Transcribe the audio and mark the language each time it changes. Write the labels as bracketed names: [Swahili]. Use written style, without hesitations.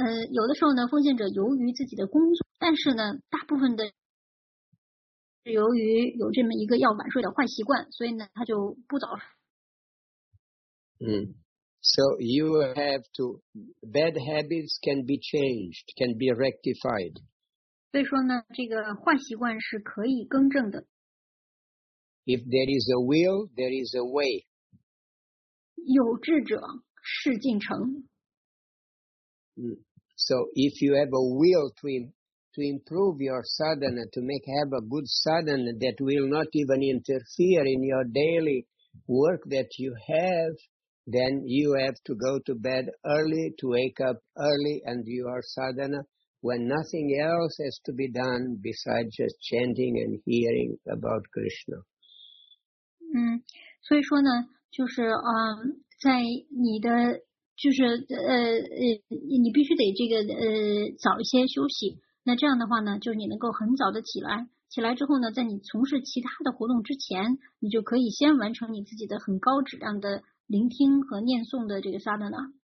[Chinese] 有的时候呢，奉献者由于自己的工作，但是呢，大部分的是由于有这么一个要晚睡的坏习惯，所以呢，他就不早。 [English] So you have to, bad habits can be changed, can be rectified. [Chinese] 所以说呢，这个坏习惯是可以更正的。 [English] If there is a will, there is a way. [Chinese] 有志者。事竟成。 [English] So if you have a will to improve your sadhana, to make have a good sadhana that will not even interfere in your daily work that you have, then you have to go to bed early, to wake up early, and your sadhana when nothing else has to be done besides just chanting and hearing about Krishna. [Chinese] 所以说呢，就是在你的就是你必须得这个早一些休息，那这样的话呢，就是你能够很早的起来之后呢，在你从事其他的活动之前，你就可以先完成你自己的很高质量的聆听和念诵的这个 sadhana。